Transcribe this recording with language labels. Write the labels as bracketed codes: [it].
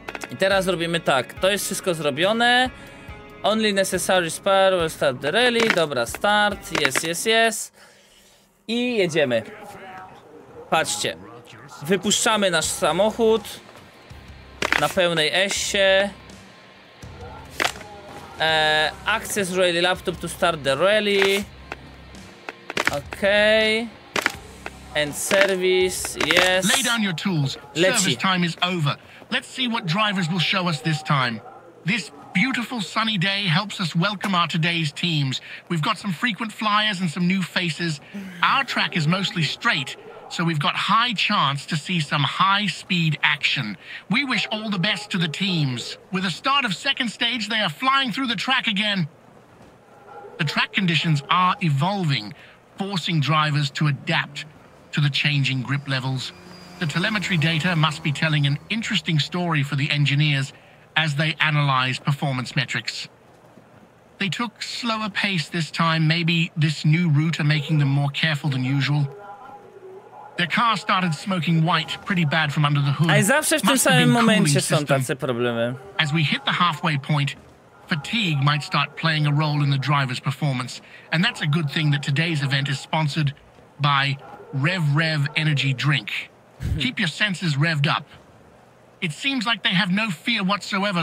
[pl] I teraz robimy tak, to jest wszystko zrobione. [en] Only necessary spare will start the rally. [pl] Dobra, [en] start, yes, yes, yes. [pl] I jedziemy. Patrzcie. Wypuszczamy nasz samochód na pełnej esie. [en] Access rally laptop to start the rally. Okej. And service, yes. Lay down your tools. [pl] Leci. [en] Service time is over. Let's see what drivers will show us this time. This beautiful sunny day helps us welcome our today's teams. We've got some frequent flyers and some new faces. Our track is mostly straight, so we've got high chance to see some high speed action. We wish all the best to the teams. With the start of second stage, they are flying through the track again. The track conditions are evolving, forcing drivers to adapt to the changing grip levels. The telemetry data must be telling an interesting story for the engineers as they analyze performance metrics. They took slower pace this time. Maybe this new route are making them more careful than usual. Their car started smoking white, pretty bad from under the hood. [pl] A zawsze w tym samym momencie są tacy problemy. [en] As we hit the halfway point, fatigue might start playing a role in the driver's performance. And that's a good thing that today's event is sponsored by Rev Rev Energy Drink. Keep your senses revved up. It seems like they have no fear whatsoever.